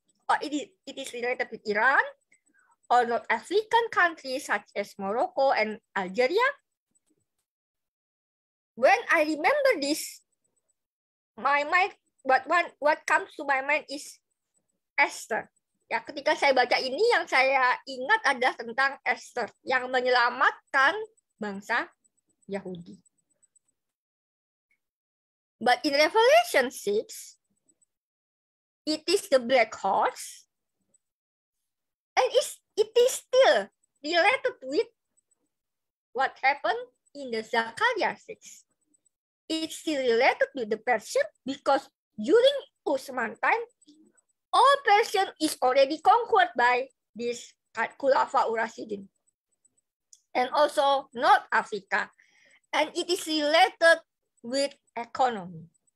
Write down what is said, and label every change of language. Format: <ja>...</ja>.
<en>Or it is related with Iran or North African countries such as Morocco and Algeria? When I remember this, my mind, what comes to my mind is Esther.</en> <id>Ya, ketika saya baca ini, yang saya ingat adalah tentang Esther yang menyelamatkan bangsa Yahudi.</id> <en>But in Revelation 6, it is the black horse, and it is still related with what happened in the Zechariah 6. It's still related with the Persian, because during Ottoman time, all Persian is already conquered by this Khulafa Urasidin, and also North Africa, and it is related with economy.</en>